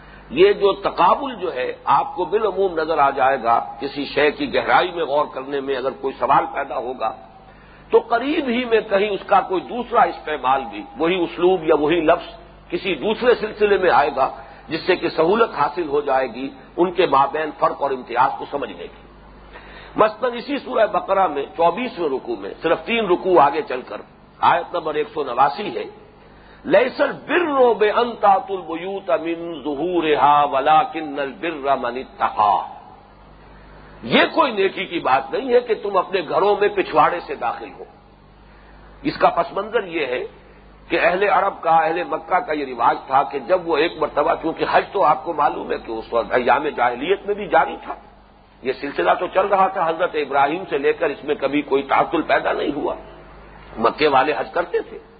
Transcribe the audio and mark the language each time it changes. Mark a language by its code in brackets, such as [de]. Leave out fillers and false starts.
[ur] یہ جو تقابل جو ہے آپ کو بالعموم نظر آ جائے گا کسی شے کی گہرائی میں غور کرنے میں، اگر کوئی سوال پیدا ہوگا تو قریب ہی میں کہیں اس کا کوئی دوسرا استعمال بھی، وہی اسلوب یا وہی لفظ کسی دوسرے سلسلے میں آئے گا، جس سے کہ سہولت حاصل ہو جائے گی ان کے مابین فرق اور امتیاز کو سمجھنے کی. مثلاً اسی سورہ بقرہ میں 24 رکوع میں، صرف 3 رکوع آگے چل کر، آیت نمبر 189 ہے، [ar] لیس البر بأن تعطوا البيوت من ظهورها ولكن البر من اتقى. [ur] یہ کوئی نیکی کی بات نہیں ہے کہ تم اپنے گھروں میں پچھواڑے سے داخل ہو. اس کا پس منظر یہ ہے کہ اہل عرب کا، اہل مکہ کا یہ رواج تھا کہ جب وہ ایک مرتبہ، کیونکہ حج تو آپ کو معلوم ہے کہ اس وقت ایام جاہلیت میں بھی جاری تھا، یہ سلسلہ تو چل رہا تھا حضرت ابراہیم سے لے کر، اس میں کبھی کوئی تعطل پیدا نہیں ہوا، مکے والے حج کرتے تھے.